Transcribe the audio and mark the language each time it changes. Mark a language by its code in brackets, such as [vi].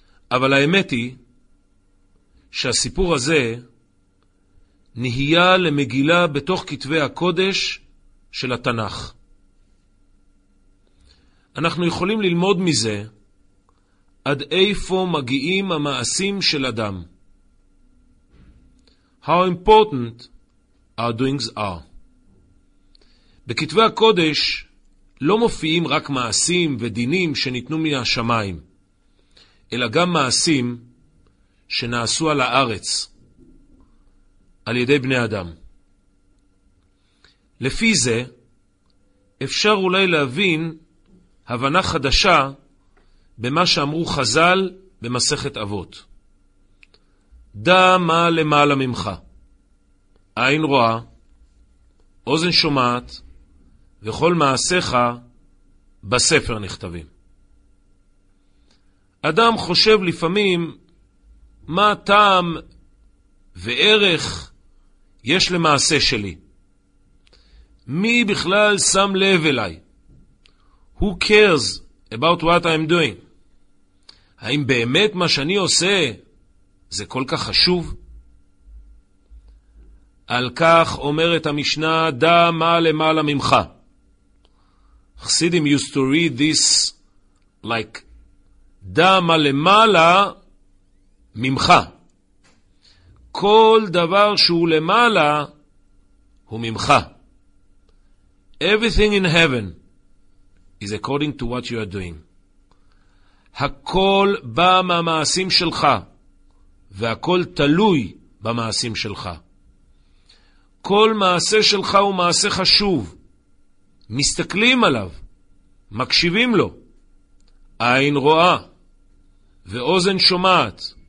[he] אבל האמת היא שהסיפור הזה נהיה למגילה בתוך כתבי הקודש של התנ"ך. אנחנו יכולים ללמוד מזה עד איפה מגיעים המעשים של אדם. [en] How important our doings are. [he] בכתבי הקודש לא מופיעים רק מעשים ודינים שניתנו מן השמיים, אלא גם מעשים שנעשו על הארץ, על ידי בני אדם. לפי זה, אפשר אולי להבין הבנה חדשה במה שאמרו חז"ל במסכת אבות. דע מה למעלה ממך. עין רואה, אוזן שומעת, וכל מעשיך בספר נכתבים. אדם חושב לפעמים מה הטעם וערך יש למעשה שלי. מי בכלל שם לב אליי? [en] Who cares about what I'm doing? [he] האם באמת מה שאני עושה זה כל כך חשוב? על כך אומרת המשנה, דע מה למעלה ממך. חסידים [en] used to read this like, [he] דע מה למעלה ממך. כל דבר שהוא למעלה הוא ממך. [en] Everything in heaven is according to what you are doing. [he] הכל בא מהמעשים שלך, והכל תלוי במעשים שלך. כל מעשה שלך הוא מעשה חשוב. מסתכלים עליו, מקשיבים לו. עין רואה ואוזן שומעת.